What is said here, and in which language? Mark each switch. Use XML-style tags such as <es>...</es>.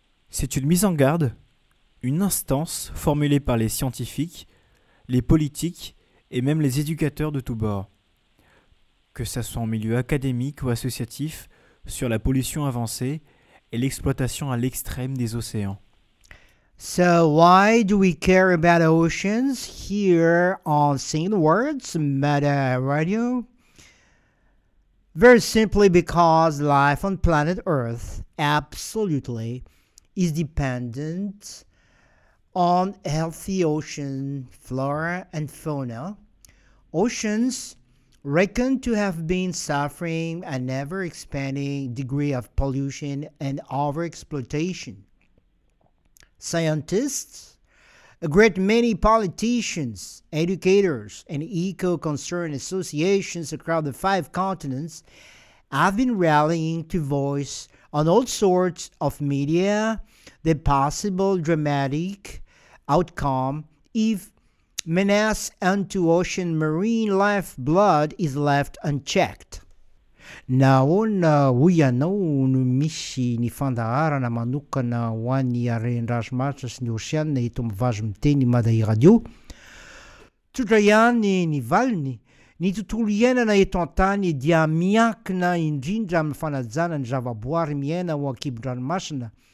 <fr>C'est une mise en garde, une instance formulée par les scientifiques, les politiques et même les éducateurs de tous bords. Que ça soit en milieu académique ou associatif, sur la pollution avancée et l'exploitation à l'extrême des océans.</fr> <en>So why do we care about oceans here on Sing the Words, Meta Radio? Very simply because life on planet Earth absolutely is dependent on healthy ocean flora and fauna. Oceans reckoned to have been suffering an ever-expanding degree of pollution and overexploitation. Scientists, a great many politicians, educators, and eco-concerned associations across the 5 continents have been rallying to voice on all sorts of media the possible dramatic outcome if menace unto ocean marine life blood is left unchecked.</en> <mg>Naona huyanao no misy ny fandaharana manokana ho an'ny arendrasomaritra sy ny oseanina eto amin'ny vazomiteny Madaï Radio. Tsotra ihany ny valiny, ny tontolo iainana eto an-tany dia miankina indrindra amin'ny fanajana ny zavaboary miaina ho ankibon-dranomasina.</mg>